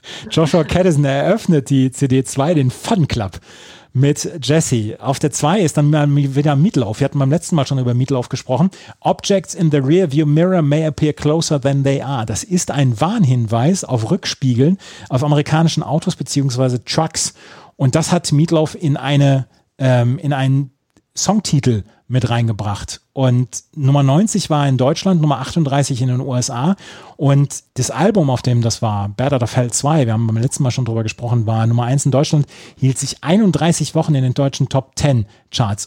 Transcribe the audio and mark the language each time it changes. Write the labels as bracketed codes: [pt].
[de] Joshua Caddison eröffnet die CD 2, den Fun Club, mit Jesse. Auf der 2 ist dann wieder Meatloaf. Wir hatten beim letzten Mal schon über Meatloaf gesprochen. [en] Objects in the rearview mirror may appear closer than they are. [de] Das ist ein Warnhinweis auf Rückspiegeln auf amerikanischen Autos bzw. Trucks. Und das hat Meatloaf in einen Songtitel mit reingebracht. Und Nummer 90 war in Deutschland, Nummer 38 in den USA. Und das Album, auf dem das war, Bad Out of Hell 2, wir haben beim letzten Mal schon drüber gesprochen, war Nummer 1 in Deutschland, hielt sich 31 Wochen in den deutschen Top 10 Charts.